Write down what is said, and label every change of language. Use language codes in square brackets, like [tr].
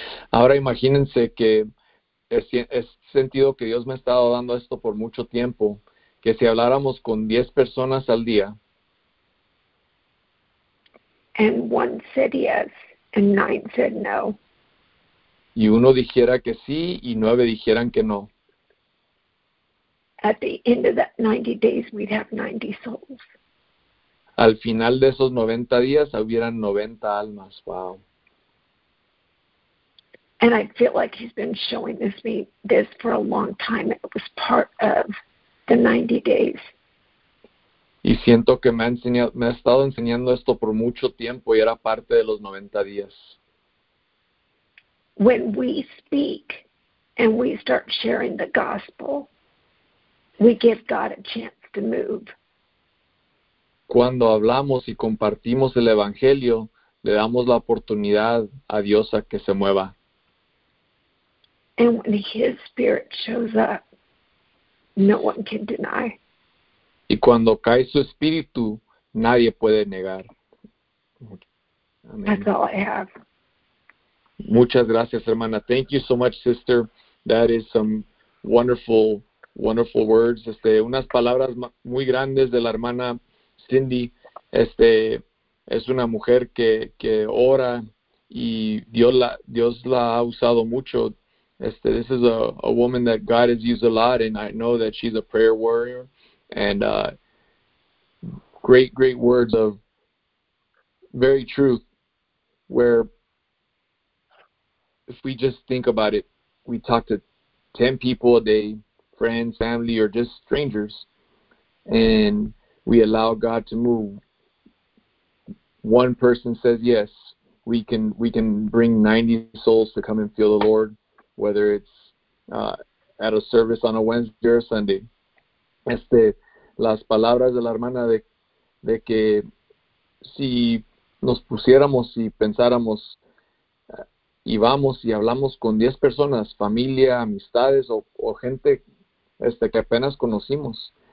[es] Ahora imagínense que he sentido que Dios me ha estado dando esto por mucho tiempo, que si habláramos con 10 personas al día. [en] And one said yes, and 9 said no. [es] Y uno dijera que sí y 9 dijeran que no. [en] At the end of that 90 days, we'd have 90 souls. [es] Al final de esos 90 días, hubieran 90 almas. Wow. [en] And I feel like he's been showing this for a long time. It was part of the 90 days. [es] Y siento que me ha estado enseñando esto por mucho tiempo y era parte de los 90 días. [en] When we speak and we start sharing the gospel, we give God a chance to move. [es] Cuando hablamos y compartimos el evangelio, le damos la oportunidad a Dios a que se mueva. [en] And when his spirit shows up, no one can deny. [es] Y cuando cae su espíritu, nadie puede negar. [en] Amen. That's all I have. [es] Muchas gracias, hermana. [en] Thank you so much, sister. That is some wonderful, wonderful words. [es] Unas palabras muy grandes de la hermana Cindy. Es una mujer que ora y Dios la ha usado mucho. [en] This is a woman that God has used a lot, and I know that she's a prayer warrior. And great, great words of very truth, where if we just think about it, we talk to 10 people a day, friends, family, or just strangers, and we allow God to move. One person says yes, we can bring 90 souls to come and feel the Lord, whether it's at a service on a Wednesday or a Sunday. [es] Las palabras de la hermana de que si nos pusiéramos y pensáramos y vamos y hablamos con 10 personas, familia, amistades o gente que apenas conocimos.